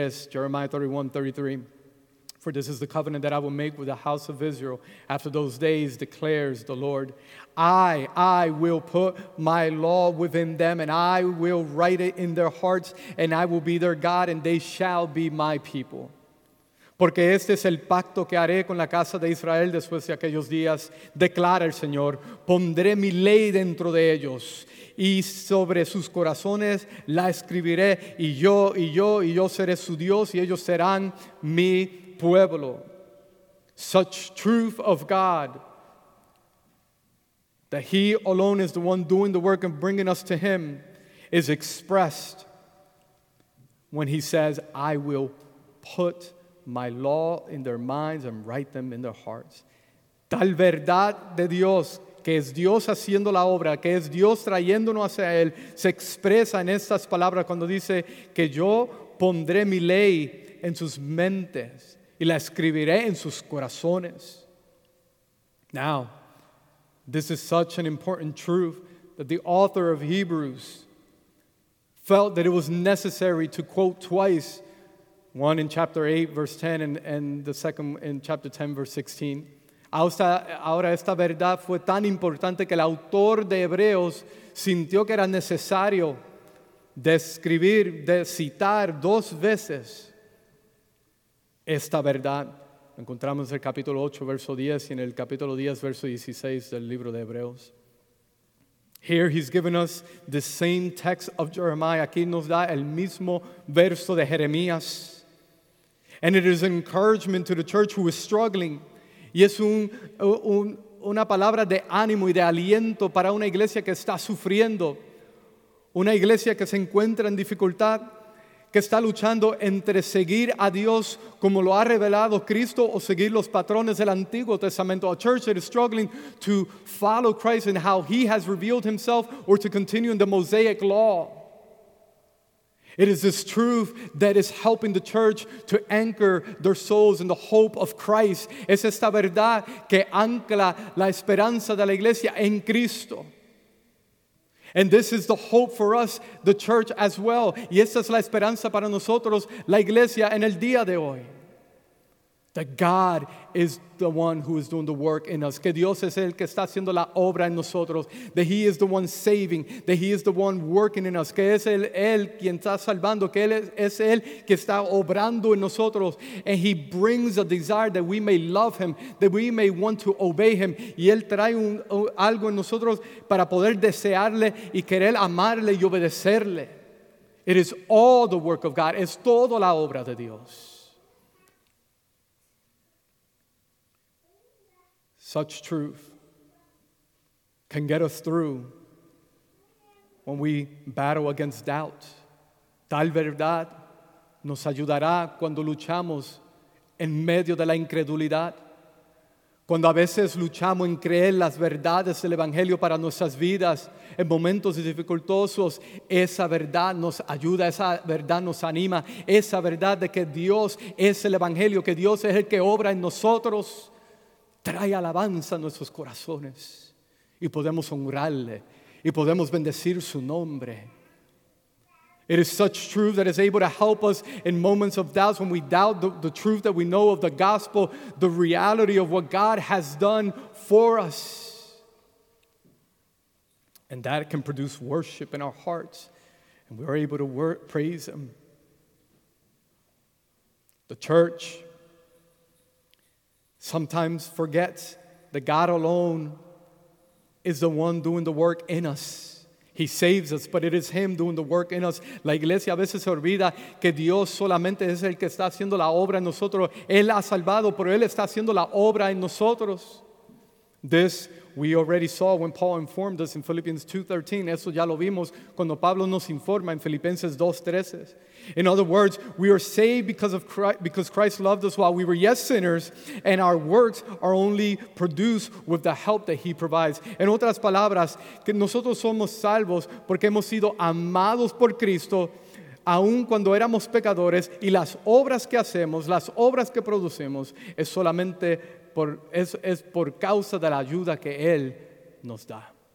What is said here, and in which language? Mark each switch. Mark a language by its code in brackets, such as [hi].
[en] Jeremiah 31:33. For this is the covenant that I will make with the house of Israel after those days, declares the Lord. I will put my law within them, and I will write it in their hearts, and I will be their God, and they shall be my people. [es] Porque este es el pacto que haré con la casa de Israel después de aquellos días, declara el Señor. Pondré mi ley dentro de ellos, y sobre sus corazones la escribiré, y yo seré su Dios, y ellos serán mi pueblo. [en] Such truth of God, that he alone is the one doing the work and bringing us to him, is expressed when he says, I will put my law in their minds and write them in their hearts. [es] Tal verdad de Dios, que es Dios haciendo la obra, que es Dios trayéndonos hacia él, se expresa en estas palabras cuando dice que yo pondré mi ley en sus mentes y la escribiré en sus corazones. [en] Now, this is such an important truth that the author of Hebrews felt that it was necessary to quote twice, one in chapter 8, verse 10, and the second in chapter 10, verse 16. [es] Ahora esta verdad fue tan importante que el autor de Hebreos sintió que era necesario describir, de citar dos veces esta verdad. Encontramos en el capítulo 8, verso 10, y en el capítulo 10, verso 16 del libro de Hebreos. [en] Here he's given us the same text of Jeremiah. [es] Aquí nos da el mismo verso de Jeremías. [en] And it is encouragement to the church who is struggling. [es] Y es una palabra de ánimo y de aliento para una iglesia que está sufriendo, una iglesia que se encuentra en dificultad, que está luchando entre seguir a Dios como lo ha revelado Cristo o seguir los patrones del Antiguo Testamento. [en] A church that is struggling to follow Christ and how he has revealed himself or to continue in the Mosaic law. It is this truth that is helping the church to anchor their souls in the hope of Christ. [es] Es esta verdad que ancla la esperanza de la iglesia en Cristo. [en] And this is the hope for us, the church, as well. [es] Y esta es la esperanza para nosotros, la iglesia, en el día de hoy. [en] That God is the one who is doing the work in us. [es] Que Dios es el que está haciendo la obra en nosotros. [en] That he is the one saving. That he is the one working in us. [es] Que es él quien está salvando. Que él es él que está obrando en nosotros. [en] And he brings a desire that we may love him. That we may want to obey him. [es] Y él trae algo en nosotros para poder desearle y querer amarle y obedecerle. [en] It is all the work of God. [es] Es toda la obra de Dios. [en] Such truth can get us through when we battle against doubt. [es] Tal verdad nos ayudará cuando luchamos en medio de la incredulidad. Cuando a veces luchamos en creer las verdades del Evangelio para nuestras vidas en momentos dificultosos, esa verdad nos ayuda, esa verdad nos anima, esa verdad de que Dios es el Evangelio, que Dios es el que obra en nosotros, trae alabanza a nuestros corazones y podemos honrarle y podemos bendecir su nombre. [en] It is such truth that is able to help us in moments of doubt when we doubt the truth that we know of the gospel, the reality of what God has done for us. And that can produce worship in our hearts and we are able to praise him. The church sometimes forgets that God alone is the one doing the work in us. He saves us, but it is him doing the work in us. [es] La iglesia a veces se olvida que Dios solamente es el que está haciendo la obra en nosotros. Él ha salvado, pero él está haciendo la obra en nosotros. [en] This we already saw when Paul informed us in Philippians 2:13. [es] Eso ya lo vimos cuando Pablo nos informa en Filipenses 2:13. [en] In other words, we are saved because of Christ, because Christ loved us while we were yet sinners, and our works are only produced with the help that he provides. [es] En otras palabras, que nosotros somos salvos porque hemos sido amados por Cristo aun cuando éramos pecadores, y las obras que hacemos, las obras que producimos, es solamente es por causa de la ayuda que Él nos da.